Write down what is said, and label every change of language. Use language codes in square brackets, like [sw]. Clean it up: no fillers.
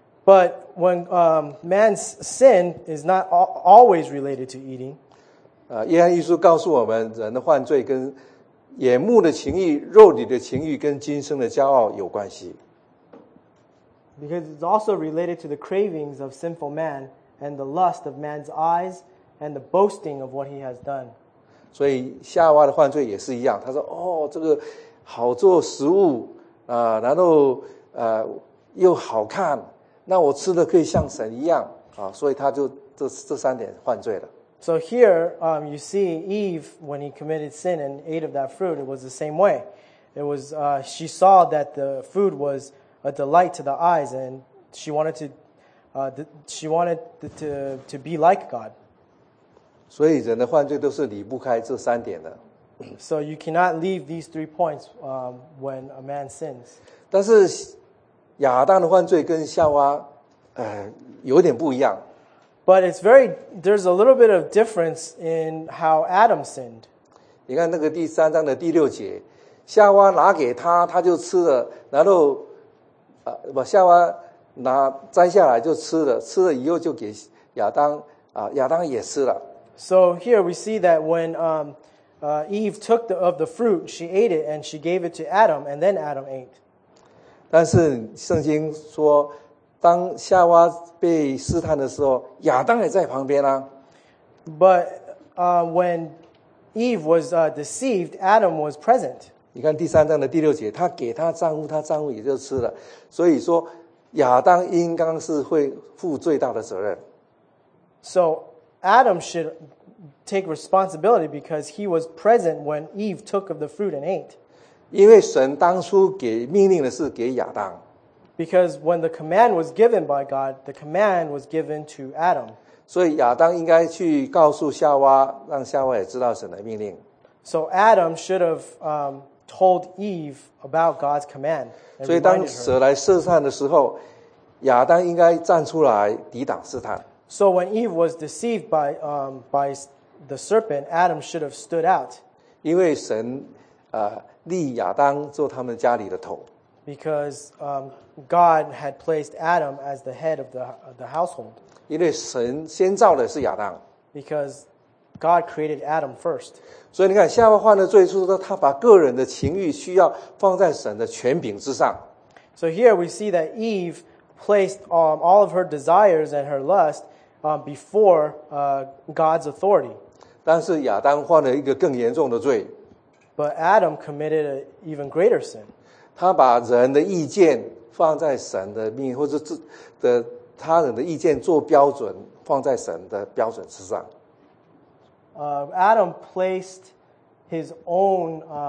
[en] But when man's sin is not always related to eating. [zh] 耶和华耶稣告诉我们人的犯罪跟眼目的情欲, 肉体的情欲跟今生的骄傲有关系。 [en] Because it's also related to the cravings of sinful man and the lust of man's eyes, and the boasting of what he has done. [zh] 所以夏娃的犯罪也是一样, 他说, 哦, 这个好做食物, 然后, 又好看, 那我吃的可以像神一样, 啊, 所以他就这三点犯罪了。 [en] So here, you see Eve, when he committed sin and ate of that fruit, it was the same way. It was, she saw that the food was a delight to the eyes, and she wanted to, she wanted to be like God. [zh] 所以人的犯罪都是离不开这三点的。 [en] So you cannot leave these three points when a man sins. [zh] 但是亚当的犯罪跟夏娃有点不一样。 [en] But it's very, there's a little bit of difference in how Adam sinned. [zh] 你看那个第三章的第六节，夏娃拿给他，他就吃了，然后，夏娃拿摘下来就吃了，吃了以后就给亚当，亚当也吃了。 [en] So here we see that when Eve took of the fruit, she ate it and she gave it to Adam, and then Adam ate. [zh] 但是圣经说，当夏娃被试探的时候，亚当也在旁边啊。 [en] But when Eve was deceived, Adam was present. [zh] 你看第三章的第六节，她给她丈夫，她丈夫也就吃了。所以说，亚当应该是会负最大的责任。 [en] So Adam should take responsibility because he was present when Eve took of the fruit and ate. [zh] 因为神当初给命令的是给亚当。 [en] Because when the command was given by God, the command was given to Adam. [zh] 所以亚当应该去告诉夏娃，让夏娃也知道神的命令。 [en] So Adam should have told Eve about God's command. [zh] 所以当蛇来试探的时候，亚当应该站出来抵挡试探。 [en] So when Eve was deceived by the serpent, Adam should have stood out. [zh] 因为神立亚当做他们家里的头。 [en] Because God had placed Adam as the head of the household. [zh] 因为神先造的是亚当。 [en] Because God created Adam first. [zh] 所以你看，夏娃犯了罪，就是说他把个人的情欲需要放在神的权柄之上。 [en] So here we see that Eve placed all of her desires and her lust before God's authority. [zh] 但是亚当犯了一个更严重的罪。 [en] But Adam committed an even greater sin. [zh] 他把人的意见放在神的命或者的他人的意见做标准放在神的标准之上。 [en] Adam placed his own